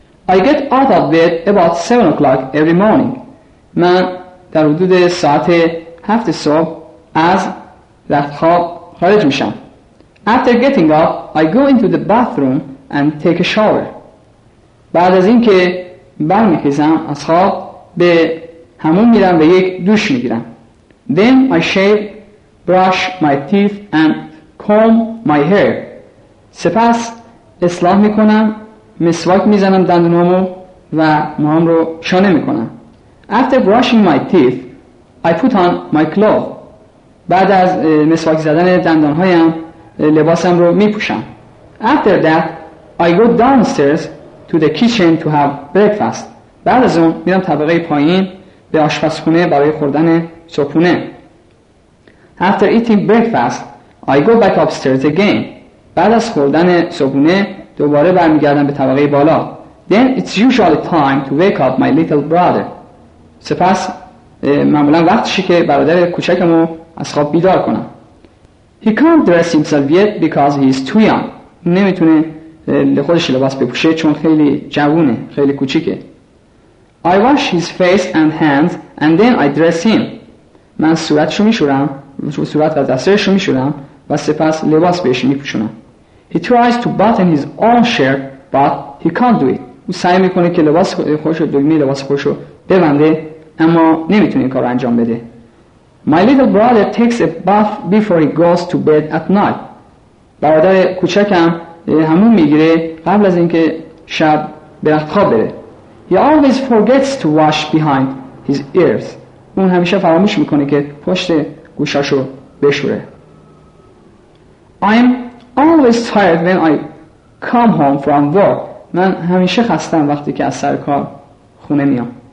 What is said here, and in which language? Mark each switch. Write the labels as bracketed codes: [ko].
[en] I get out of bed about 7 o'clock every morning. [fa] من در حدود ساعت 7 صبح از رخت خواب خارج میشم. [en] After getting up, I go into the bathroom and take a shower. [fa] بعد از اینکه برمیخیزم از خواب به حموم میرم و یک دوش میگیرم. [en] Then I shave, brush my teeth and comb my hair. [fa] سپس اصلاح میکنم، مسواک میزنم دندونامو و موهام رو شانه میکنم. [en] After brushing my teeth, I put on my clothes. [fa] بعد از مسواک زدن دندانهایم لباسم رو میپوشم. [en] After that, I go downstairs to the kitchen to have breakfast. [fa] بعد از اون میرم طبقه پایین به آشپزخونه برای خوردن صبحونه. [en] After eating breakfast, I go back upstairs again. [fa] بعد از خوردن صبحونه دوباره برمیگردم به طبقه بالا. [en] Then it's usually time to wake up my little brother. [fa] سپس معمولا وقتشی که برادر کوچکمو از خواب بیدار کنم. [en] He can't dress himself yet because he's too young. [fa] نمیتونه خودش لباس بپوشه چون خیلی جوونه، خیلی کوچیکه. [en] I wash his face and hands and then I dress him. [fa] من صورتشو میشورم، صورت و دستشو میشورم و سپس لباس بهش میپوشونم. [en] He tries to button his own shirt but he can't do it. [fa] او سعی میکنه که لباس خودشو، دکمه لباس خودشو ببنده اما نمیتونه این کارو انجام بده. [en] My little brother takes a bath before he goes to bed at night. [fa] برادر کوچکم حموم میگیره قبل از اینکه شب به رخت خواب بره. [en] He always forgets to wash behind his ears. [fa] اون همیشه فراموش میکنه که پشت گوشاشو بشوره. [en] I'm always tired when I come home from work. [fa] من همیشه خستم وقتی که از سر کار خونه میام.